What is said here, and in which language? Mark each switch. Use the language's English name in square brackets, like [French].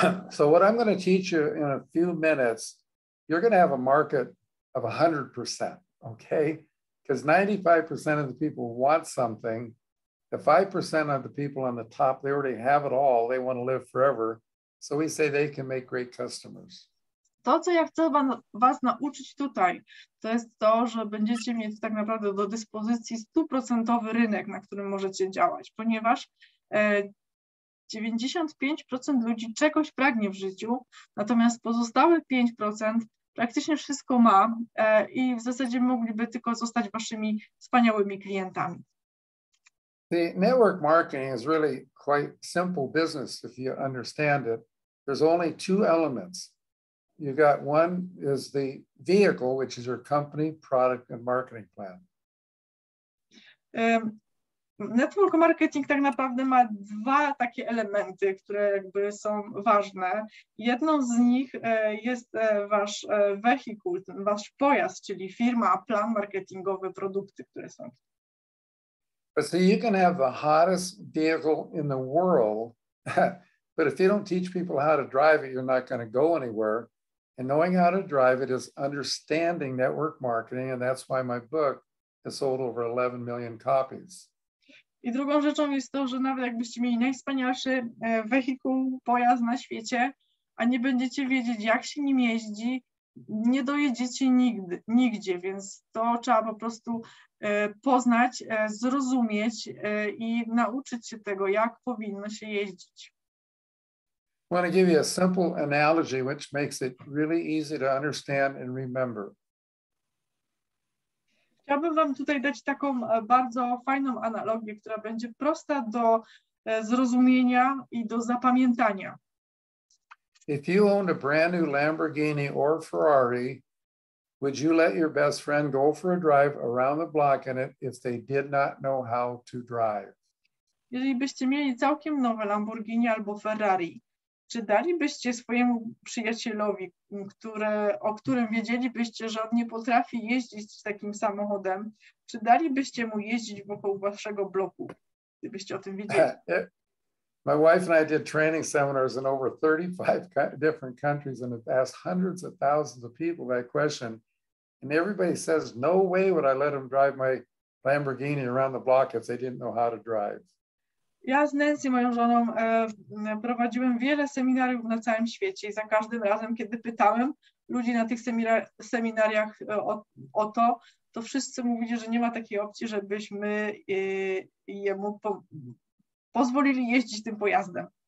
[English] So what I'm going to teach you in a few minutes, you're going to have a market of 100%, okay? Because 95% of the people want something. The 5% of the people on the top, they already have it all. They want to live forever. So we say they can make great customers. [Polish] To, co ja chcę was nauczyć tutaj, to jest to, że będziecie mieć tak naprawdę do dyspozycji 100% rynek, na którym możecie działać, ponieważ 95% ludzi czegoś pragnie w życiu, natomiast pozostałe 5% praktycznie wszystko ma i w zasadzie mogliby tylko zostać waszymi wspaniałymi klientami. [English] The network marketing is really quite simple business if you understand it. There's only two elements. You got one is the vehicle, which is your company, product and marketing plan. [Polish] Network marketing tak naprawdę ma dwa takie elementy, które jakby są ważne. Jedną z nich jest wasz wehikuł, wasz pojazd, czyli firma, plan marketingowy, produkty, które są. [English] So you can have the hottest vehicle in the world, but if you don't teach people how to drive it, you're not going to go anywhere. And knowing how to drive it is understanding network marketing, and that's why my book It sold over 11 million copies. [Polish] I drugą rzeczą jest to, że nawet jakbyście mieli najwspanialszy wehikuł, pojazd na świecie, a nie będziecie wiedzieć, jak się nim jeździ, nie dojedziecie nigdy, nigdzie, więc to trzeba po prostu poznać, zrozumieć i nauczyć się tego, jak powinno się jeździć. [English] I want to give you a simple analogy, which makes it really easy to understand and remember. [Polish] Chciałbym wam tutaj dać taką bardzo fajną analogię, która będzie prosta do zrozumienia i do zapamiętania. [English] If you owned a brand new Lamborghini or Ferrari, would you let your best friend go for a drive around the block in it if they did not know how to drive? [Polish] Jeżeli byście mieli całkiem nowe Lamborghini albo Ferrari, czy dalibyście swojemu przyjacielowi, o którym wiedzielibyście, że on nie potrafi jeździć takim samochodem, czy dalibyście mu jeździć wokół waszego bloku, gdybyście o tym wiedzieli? [English] My wife and I did training seminars in over 35 different countries and have asked hundreds of thousands of people that question. And everybody says, no way would I let them drive my Lamborghini around the block if they didn't know how to drive. [Polish] Ja z Nancy, moją żoną, prowadziłem wiele seminariów na całym świecie i za każdym razem, kiedy pytałem ludzi na tych seminariach o to, to wszyscy mówili, że nie ma takiej opcji, żebyśmy jemu pozwolili jeździć tym pojazdem.